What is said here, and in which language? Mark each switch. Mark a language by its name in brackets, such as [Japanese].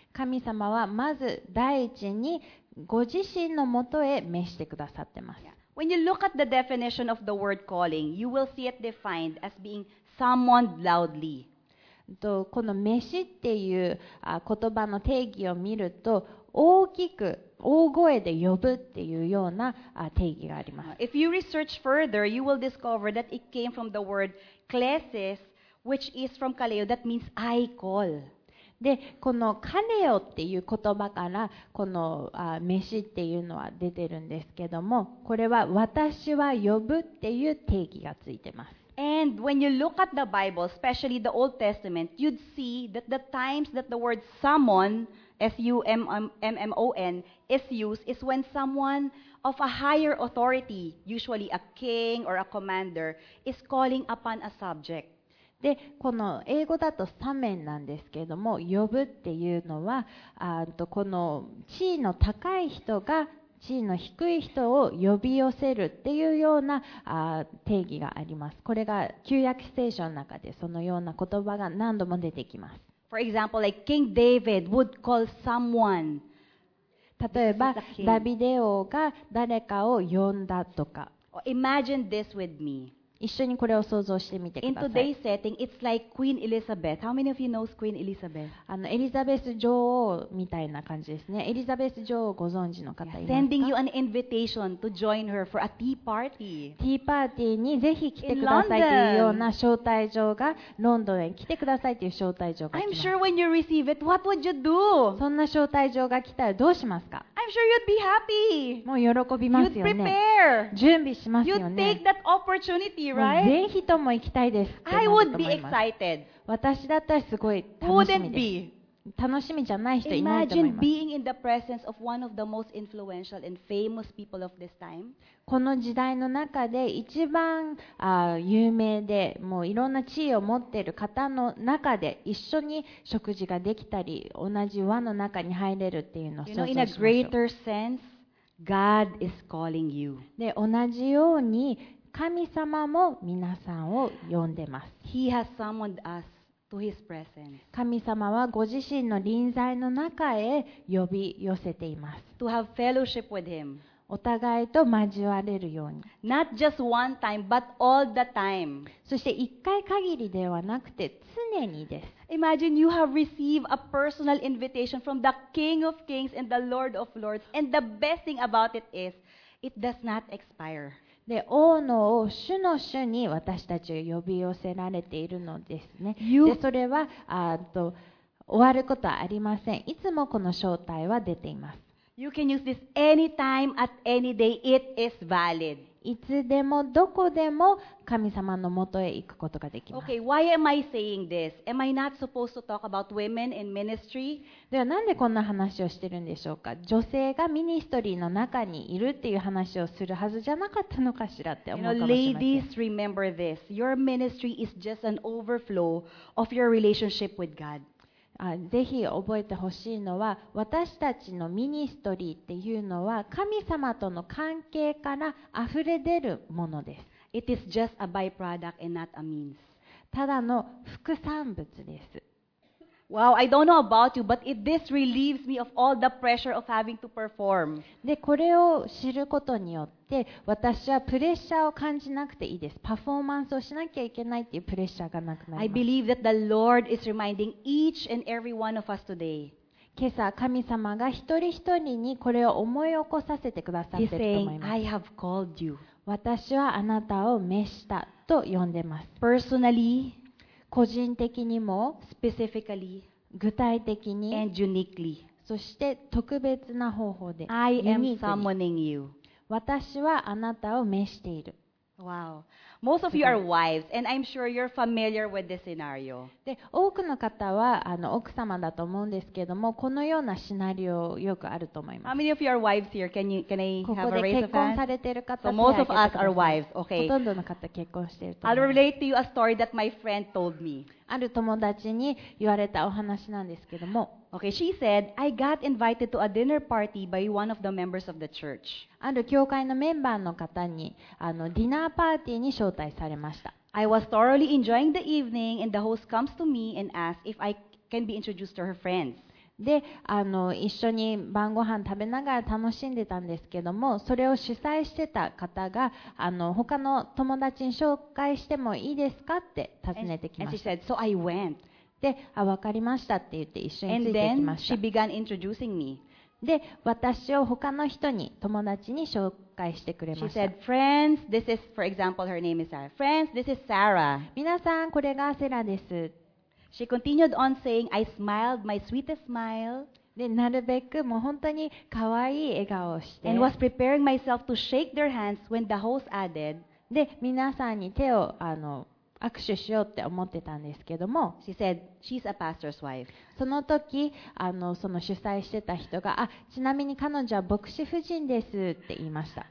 [Japanese] 神様はまず第一にご自身のもとへ召してくださってます。 [English] Yeah. When you look at the definition of the word calling, you will see it defined as being summoned loudly. [Japanese] この召しっていう言葉の定義を見ると、大きく大声で呼ぶっていうような定義があります。 [English] If you research further, you will discover that it came from the word klesis.Which is from Kaleo, that means I call. [Japanese] で、このカネオっていう言葉からこの飯っていうのは出てるんですけども、これは私は呼ぶっていう定義がついてます。 [English] And when you look at the Bible, especially the Old Testament, you'd see that the times that the word summon, S-U-M-M-O-N, is used is when someone of a higher authority, usually a king or a commander, is calling upon a subject. [Japanese] で、この英語だとサメンなんですけれども、呼ぶっていうのは、この地位の高い人が地位の低い人を呼び寄せるっていうような定義があります。これが旧約聖書の中でそのような言葉が何度も出てきます。 [English] For example, like King David would call someone. [Japanese] 例えば、ダビデ王が誰かを呼んだとか。 [English] Imagine this with me. [Japanese] 一緒にこれを想像してみてください。 [English] In today's setting, it's like Queen Elizabeth. How many of you knows Queen Elizabeth? [Japanese] エリザベス女王みたいな感じですね。エリザベス女王をご存知の方いますか？ [English] Sending you an invitation to join her for a tea party. [Japanese] ティーパーティーにぜひ来てくださいというような招待状が、ロンドンへ来てくださいという招待状が来ます。 [English] I'm sure when you receive it, what would you do? [Japanese] そんな招待状が来たらどうしますか？ [English] I'm sure you'd be happy. [Japanese] もう喜びますよね。 [English] You'd prepare. [Japanese] 準備しますよね。 [English] You'd take that opportunity. [Japanese] ぜひとも行きたいですってなると思います。 [English] I would be excited. [Japanese] 私だったらすごい楽しみです。楽しみじゃない人いないと思います。 [English] Imagine being in the presence of one of the most influential and famous people of this time. [Japanese] この時代の中で一番有名でもういろんな地位を持っている方の中で一緒に食事ができたり同じ輪の中に入れるっていうのを想像しましょう。 [English] You know, in a greater sense, God is calling you. [Japanese] で、同じように神様も皆さんを呼んでます。 [English] He has summoned us to his presence. [Japanese] 神様はご自身の臨在の中へ呼び寄せています。 [English] To have fellowship with him. [Japanese] お互いと交われるように。 [English] Not just one time, but all the time. [Japanese] そして一回限りではなくて常にです。 [English] Imagine you have received a personal invitation from the King of Kings and the Lord of Lords. And the best thing about it is, it does not expire. [Japanese] で、王の王、主の主に私たちを呼び寄せられているのですね。で、それは終わることはありません。いつもこの招待は出ています。 [English] You can use this anytime at any day. It is valid. [Japanese] いつでもどこでも神様のもとへ行くことができます。 [English] Okay, why am I saying this? Am I not supposed to talk about women in ministry? [Japanese] ではなんでこんな話をしてるんでしょうか。女性がミニストリーの中にいるっていう話をするはずじゃなかったのかしらって思うかもしれません。 [English] You know, ladies, remember this. Your ministry is just an overflow of your relationship with God. [Japanese] ぜひ覚えてほしいのは、私たちのミニストリーっていうのは神様との関係から溢れ出るものです。 [English] It is just a byproduct and not a means. [Japanese] ただの副産物です。 [English] Wow, I don't know about you, but this relieves me of all the pressure of having to perform. [Japanese] で、これを知ることによって私はプレッシャーを感じなくていいです。パフォーマンスをしなきゃいけないっていうプレッシャーがなくなります。 [English] I believe that the Lord is reminding each and every one of us today. [Japanese] 今朝神様が一人一人にこれを思い起こさせてくださっていると思います。 [English] He's saying, I have called you. [Japanese] 私はあなたを召したと呼んでます。 [English] Personally, [Japanese] 個人的にも [English] specifically, [Japanese] 具体的に [English] and uniquely, [Japanese] そして特別な方法で [English] I am summoning you. [Japanese] 私はあなたを召している。 [English] Wow. Most of you are wives, and I'm sure you're familiar with this scenario. [Japanese] で、多くの方は奥様だと思うんですけども、このようなシナリオよくあると思います。 [English] How many of you are wives here? Can I have a raise of hands? [Japanese] ここで結婚されている方、 [English] So most of us are wives. Okay. [Japanese] ほとんどの方結婚していると思います。 [English] I'll relate to you a story that my friend told me. [Japanese] ある友達に言われたお話なんですけども、 [English] Okay, she said, I got invited to a dinner party by one of the members of the church. [Japanese] ある教会のメンバーの方にディナーパーティーに招待されました。 [English] I was thoroughly enjoying the evening and the host comes to me and asks if I can be introduced to her friends. [Japanese] で、一緒に晩ご飯食べながら楽しんでたんですけども、それを主催してた方が他の友達に紹介してもいいですかって尋ねてきました。 [English] And she said, so I went. [Japanese] で、わかりましたって言って一緒についてきました。 [English] And then she began introducing me. [Japanese] で、私を他の人に、友達に紹介してくれました。 [English] She said, friends, this is, for example, her name is Sarah. Friends, this is Sarah. [Japanese] 皆さん、これがセラです。 [English] She continued on saying, I smiled my sweetest smile. [Japanese] で、なるべくもう本当に可愛い笑顔をして。 [English] And was preparing myself to shake their hands when the host added. [Japanese] で、皆さんに手を握手しようって思ってたんですけども。 [English] She said, she's a pastor's wife. [Japanese] その時、その主催してた人が、あ、ちなみに彼女は牧師夫人ですって言いました。